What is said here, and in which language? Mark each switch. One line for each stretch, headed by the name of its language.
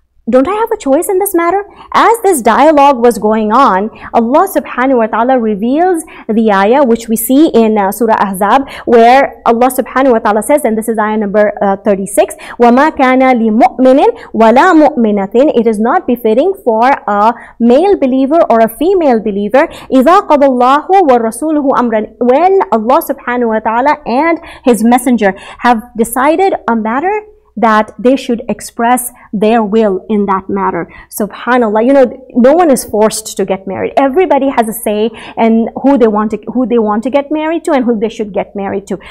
English: Don't I have a choice in this matter? As this dialogue was going on, Allah subhanahu wa ta'ala reveals the ayah which we see in Surah Ahzab, where Allah subhanahu wa ta'ala says, and this is ayah number 36,
Arabic: وَمَا كَانَ لِمُؤْمِنٍ وَلَا مُؤْمِنَةٍ.
English: It is not befitting for a male believer or a female believer.
Arabic: إِذَا قَضَ اللَّهُ وَالرَّسُولُهُ أَمْرًا.
English: When Allah subhanahu wa ta'ala and His Messenger have decided a matter, that they should express their will in that matter. Subhanallah, you know, no one is forced to get married. Everybody has a say in who they want to get married to and who they should get married to.